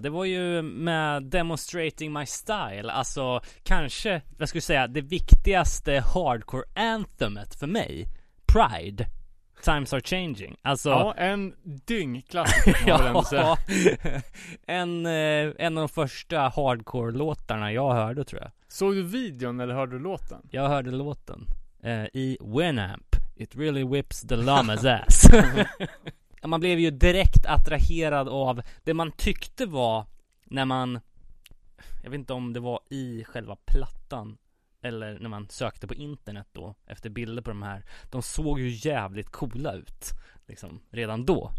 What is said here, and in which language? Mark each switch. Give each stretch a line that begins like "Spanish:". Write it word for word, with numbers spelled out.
Swedish: Det var ju med Demonstrating My Style, alltså kanske, jag skulle säga, det viktigaste hardcore anthemet för mig. Pride. Times Are Changing. Alltså, ja, en dyngklassiker. Ja, en, eh, en av de första hardcore-låtarna jag hörde, tror jag. Såg du videon eller hörde du låten? Jag hörde låten. Uh, i Winamp.
English: It really whips the llama's ass.
Swedish: Man blev ju direkt attraherad av det man tyckte var, när man, jag vet inte om det var i själva plattan eller när man sökte på internet då efter bilder på de här. De såg ju jävligt coola ut liksom redan då.